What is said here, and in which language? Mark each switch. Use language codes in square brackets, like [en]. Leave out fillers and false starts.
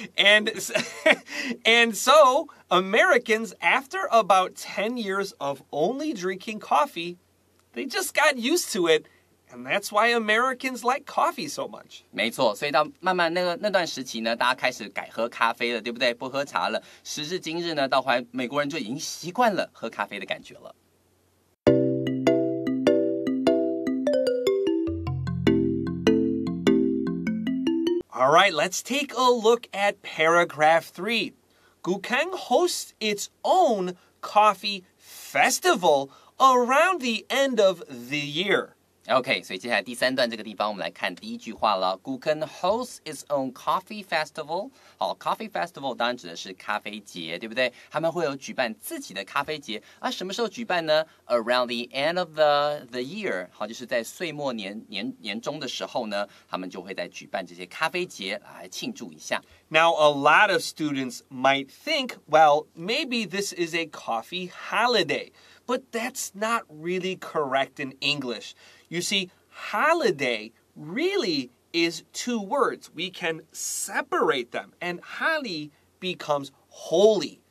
[en] And so, Americans, after about 10 years of only drinking coffee, they just got used to it. And that's why Americans like coffee so much. [zh] 没错，所以到慢慢那段时期呢，大家开始改喝咖啡了，对不对？不喝茶了。时至今日呢，到后来美国人就已经习惯了喝咖啡的感觉了。 [en] All right, let's take a look at paragraph 3. Gukeng hosts its own coffee festival around the end of the year. [zh] Okay, 所以接下来第三段这个地方我们来看第一句话了。 [en] Gukeng hosts its own coffee festival. [zh] 好 [en] coffee festival [zh] 当然指的是咖啡节，对不对？他们会有举办自己的咖啡节。啊，什么时候举办呢？ [en] Around the end of the year. [zh] 好，就是在岁末年中的时候呢，他们就会在举办这些咖啡节来庆祝一下。 [en] Now, a lot of students might think, well, maybe this is a coffee holiday. But that's not really correct in English. You see, holiday really is two words. We can separate them. And hali becomes holy.